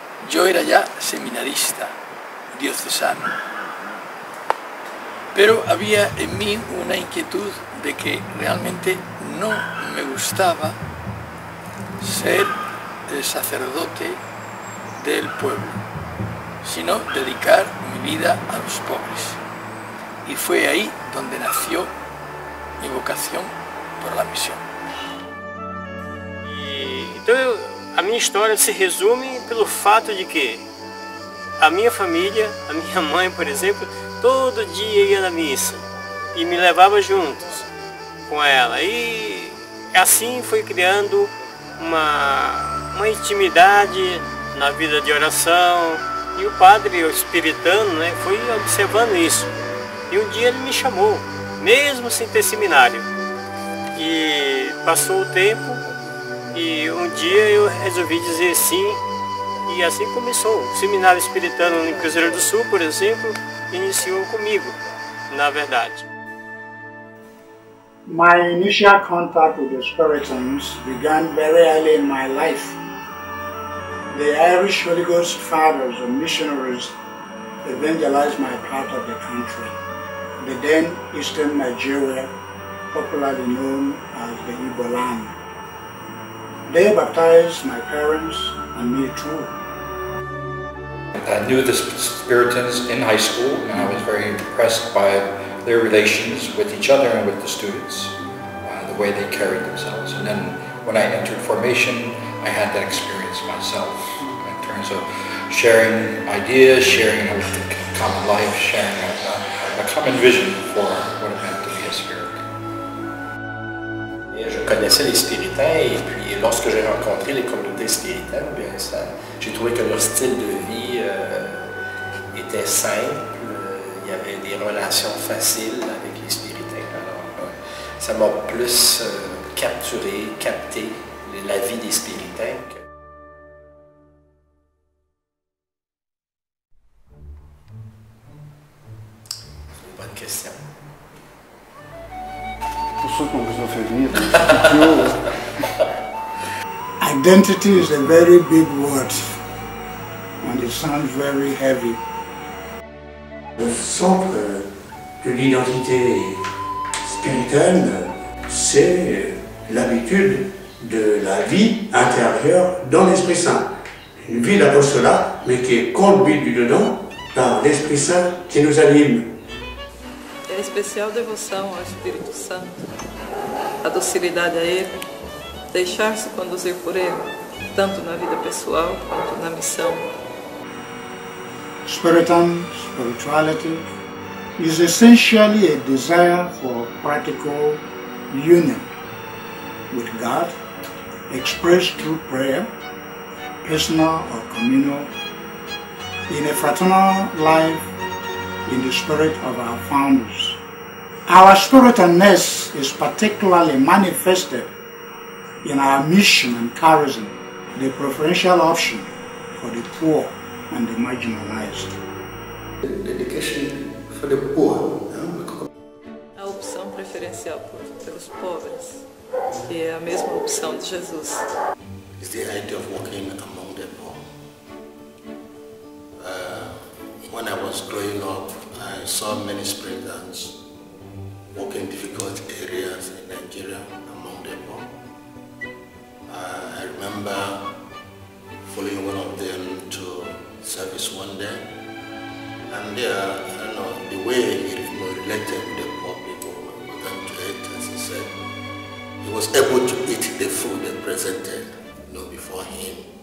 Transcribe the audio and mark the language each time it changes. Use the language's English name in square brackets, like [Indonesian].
[Spanish] Yo era ya seminarista diocesano, pero había en mí una inquietud de que realmente no me gustaba ser el sacerdote del pueblo, sino dedicar mi vida a los pobres. Y fue ahí donde nació mi vocación por la misión. [Portuguese] A minha história se resume pelo fato de que a minha família, a minha mãe, por exemplo, todo dia ia na missa e me levava juntos com ela. E assim foi criando uma intimidade na vida de oração. E o padre, o espiritano, né, foi observando isso. E um dia ele me chamou, mesmo sem ter seminário. E passou o tempo. E um dia eu resolvi dizer sim, e assim começou. O Seminário Espiritano em Cruzeiro do Sul, por exemplo, iniciou comigo, na verdade. [English] My initial contact with the Spiritans began very early in my life. The Irish Holy Ghost Fathers and missionaries evangelized my part of the country, the then Eastern Nigeria, popularly known as the Igbo Land. They baptized my parents and me too. I knew the Spiritans in high school, and I was very impressed by their relations with each other and with the students, the way they carried themselves. And then when I entered formation, I had that experience myself in terms of sharing ideas, sharing a common life, sharing a common vision for what it meant to be a Spirit. [French] Je connaissais les Spiritains. Lorsque j'ai rencontré les communautés spirituelles, j'ai trouvé que leur style de vie était simple, il y avait des relations faciles avec les spiritains. Alors, ça m'a plus capté la vie des spiritains. Que... C'est une bonne question. Pour ceux qui ont besoin de faire venir, [English] identity is a very big word, and it sounds very heavy. [French] Le socle de l'identité spirituelle, c'est l'habitude de la vie intérieure dans l'Esprit Saint. Une vie d'apostolat, mais qui est conduite du dedans par l'Esprit Saint qui nous anime. [Portuguese] É especial devoção ao Espírito Santo, a docilidade a Ele. Deixar-se conduzir por ele, tanto na vida pessoal quanto na missão. [English] Spiritan, spirituality, is essentially a desire for practical union with God, expressed through prayer, personal or communal, in a fraternal life in the spirit of our founders. Our spiritualness is particularly manifested in our mission and charism, the preferential option for the poor and the marginalized. The dedication for the poor. [Portuguese] A opção preferencial pelos pobres é a mesma opção de Jesus. [English] Is the idea of walking among the poor. When I was growing up, I saw many spirit dancers walking difficult areas in Nigeria among the poor. I remember following one of them to service one day, and there, you know, the way he related with the poor people, for them to eat, as he said, he was able to eat the food they presented, you know, before him.